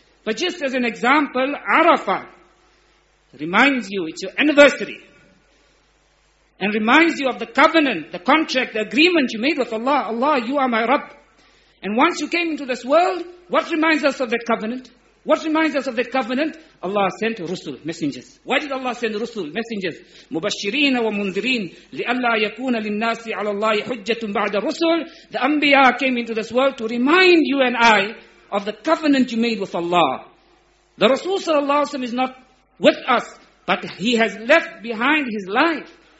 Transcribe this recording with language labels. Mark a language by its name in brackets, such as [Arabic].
[English] But just as an example, Arafah reminds you, it's your anniversary, and reminds you of the covenant, the contract, the agreement you made with Allah. Allah, you are my Rabb. And once you came into this world, what reminds us of that covenant? What reminds us of that covenant? Allah sent Rusul, messengers. Why did Allah send Rusul, messengers? [Arabic] مبشرين ومنذرين لألا يكون للناس على الله حجة بعد رسول. [English] The Anbiya came into this world to remind you and I of the covenant you made with Allah. The Rasul sallallahu alayhi wa sallam is not with us, but he has left behind his life.